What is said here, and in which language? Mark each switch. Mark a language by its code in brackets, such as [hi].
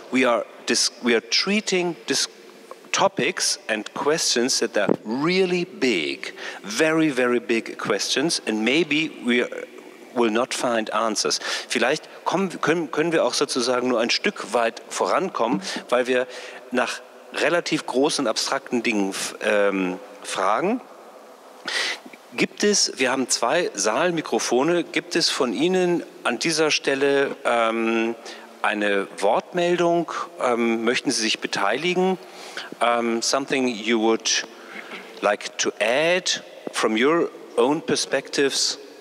[en] We are treating this topics and questions that are really big, very, very big questions, and maybe we are will not find answers. [de] Vielleicht können wir auch sozusagen nur ein Stück weit vorankommen, weil wir nach relativ großen, abstrakten Dingen fragen. Wir haben zwei Saalmikrofone, gibt es von Ihnen an dieser Stelle eine Wortmeldung? Möchten Sie sich beteiligen? [en] Something you would like to add from your own perspectives?